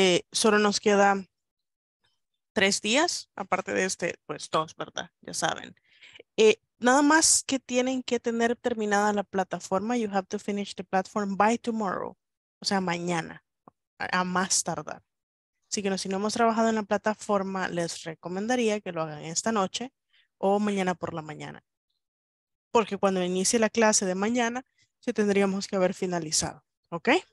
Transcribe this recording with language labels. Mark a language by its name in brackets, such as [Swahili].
[Spanish] Solo nos queda 3 días, aparte de este, pues 2, ¿verdad? Ya saben. Nada más que tienen que tener terminada la plataforma. [English] You have to finish the platform by tomorrow. [Spanish] O sea, mañana, a más tardar. Así que si no hemos trabajado en la plataforma, les recomendaría que lo hagan esta noche o mañana por la mañana. Porque cuando inicie la clase de mañana, se tendríamos que haber finalizado, ¿ok?